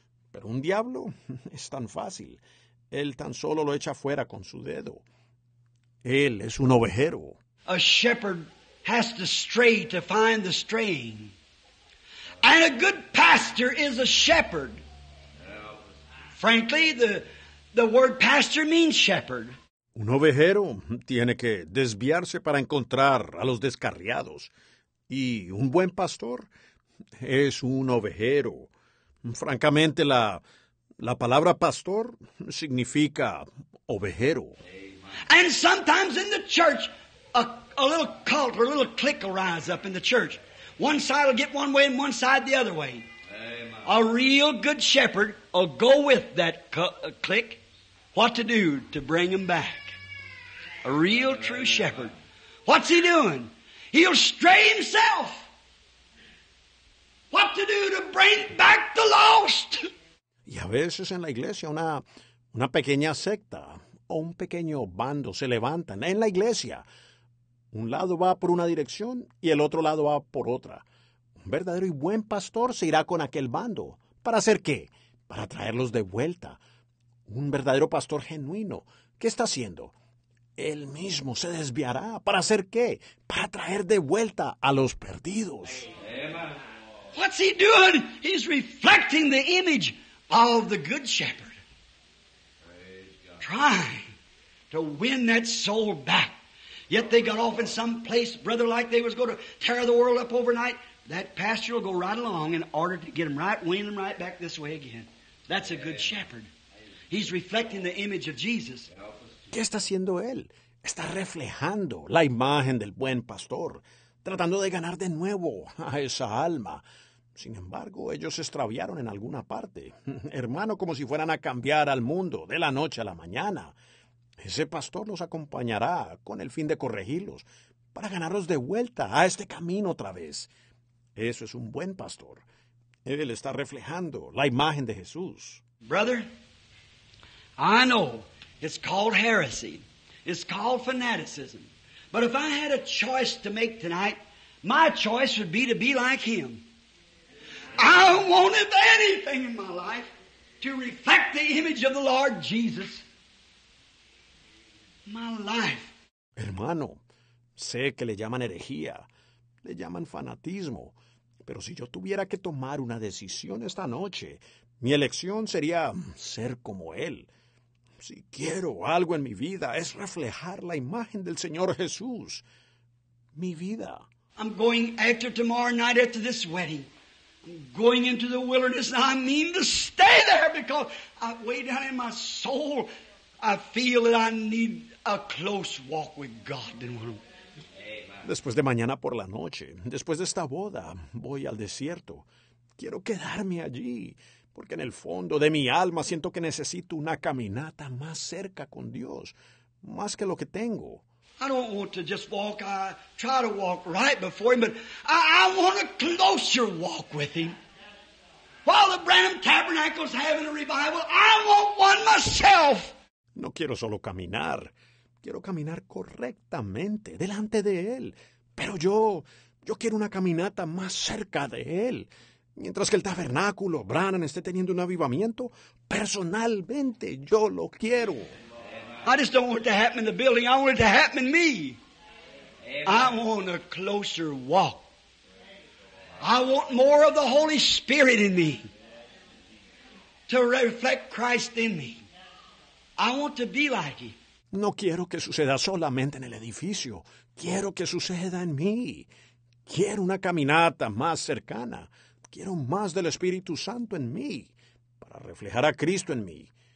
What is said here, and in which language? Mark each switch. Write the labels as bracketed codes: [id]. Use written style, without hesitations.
[es] Pero un diablo es tan fácil. Él tan solo lo echa fuera con su dedo. Él es un ovejero. [en] A shepherd has to stray to find the straying. And a good pastor is a shepherd. Frankly, the word pastor means shepherd. [es] Un ovejero tiene que desviarse para encontrar a los descarriados. Y un buen pastor es un ovejero. Francamente, la palabra pastor significa ovejero. [en] And sometimes in the church, a little cult or a little clique will rise up in the church. One side will get one way and one side the other way. Amen. A real good shepherd will go with that clique. What to do to bring them back? A real true shepherd. What's he doing? He'll stray himself. What to do to bring back the lost? [es] Y a veces en la iglesia una pequeña secta o un pequeño bando se levantan en la iglesia. Un lado va por una dirección y el otro lado va por otra. Un verdadero y buen pastor se irá con aquel bando. ¿Para hacer qué? Para traerlos de vuelta. Un verdadero pastor genuino. ¿Qué está haciendo? Él mismo se desviará. ¿Para hacer qué? Para traer de vuelta a los perdidos. [en] What's he doing? He's reflecting the image of the good shepherd. Trying to win that soul back. Yet they got off in some place, brother, like they was going to tear the world up overnight. That pastor will go right along in order to get them right, wean them right back this way again. That's a good shepherd. He's reflecting the image of Jesus. [es] ¿Qué está haciendo él? Está reflejando la imagen del buen pastor, tratando de ganar de nuevo a esa alma. Sin embargo, ellos se extraviaron en alguna parte. Hermano, como si fueran a cambiar al mundo de la noche a la mañana. Ese pastor los acompañará con el fin de corregirlos, para ganarlos de vuelta a este camino otra vez. Eso es un buen pastor. Él está reflejando la imagen de Jesús. [en] Brother, I know it's called heresy. It's called fanaticism. But if I had a choice to make tonight, my choice would be like him. I don't want anything in my life to reflect the image of the Lord Jesus. My life. [es] Hermano, sé que le llaman herejía, le llaman fanatismo, pero si yo tuviera que tomar una decisión esta noche, mi elección sería ser como él. Si quiero algo en mi vida, es reflejar la imagen del Señor Jesús. Mi vida. [en] I'm going after tomorrow night after this wedding. I'm going into the wilderness. I mean to stay there because I way down in my soul, I feel that I need a close walk with God. [es] Después de mañana por la noche, después de esta boda, voy al desierto. Quiero quedarme allí, porque en el fondo de mi alma siento que necesito una caminata más cerca con Dios, más que lo que tengo. [en] I don't want to just walk. I try to walk right before Him, but I want a closer walk with Him. While the Branham Tabernacle's having a revival, I want one myself. [es] No quiero solo caminar. Quiero caminar correctamente delante de Él. Pero yo Yo quiero una caminata más cerca de Él. Mientras que el tabernáculo, Branham, esté teniendo un avivamiento, personalmente yo lo quiero. [en] I just don't want it to happen in the building. I want it to happen in me. I want a closer walk. I want more of the Holy Spirit in me to reflect Christ in me. I want to be like Him. [es] No quiero que suceda solamente en el edificio. Quiero que suceda en mí. Quiero una caminata más cercana. Quiero más del Espíritu Santo en mí para reflejar a Cristo en mí.